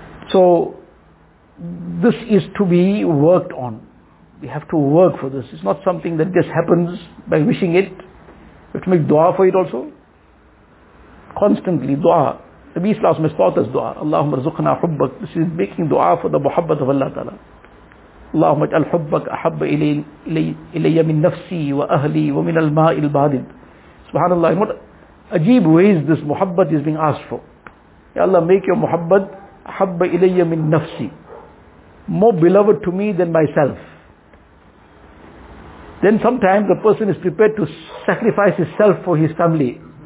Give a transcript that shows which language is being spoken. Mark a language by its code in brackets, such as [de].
[en] So this is to be worked on. We have to work for this. It's not something that just happens by wishing it. We have to make dua for it also. Constantly dua. The Bismillah has taught us dua. [ar] Allahumma rizukhna hubbak. [en] This is making dua for the muhabbat of Allah Ta'ala. [ar] اللهم اجعل حبك احب الي من نفسي واهلي ومن الماء البارد. سبحان الله, [en] what ajeeb ways this muhabbat is being asked for. Ya Allah, make your muhabbat [ar] احب الي من نفسي, [en] more beloved to me than myself. Then sometimes the person is prepared to sacrifice his self for his family.